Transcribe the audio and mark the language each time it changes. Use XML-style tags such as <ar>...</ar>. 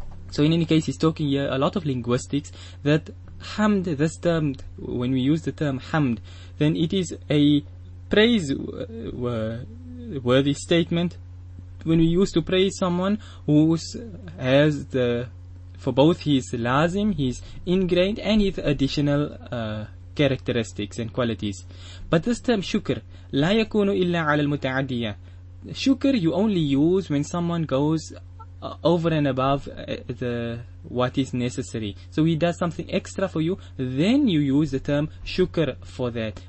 <en>So in any case, he's talking here a lot of linguistics, that hamd, this term, when we use the term hamd, then it is a praiseworthy statement when we use to praise someone who has the, for both his lazim, his ingrained, and his additional characteristics and qualities. But this term shukr,</en> <ar>لا يكون إلا على المتعدية.</ar> <en>Shukr you only use when someone goes over and above what is necessary. So he does something extra for you, then you use the term shukr for that.</en>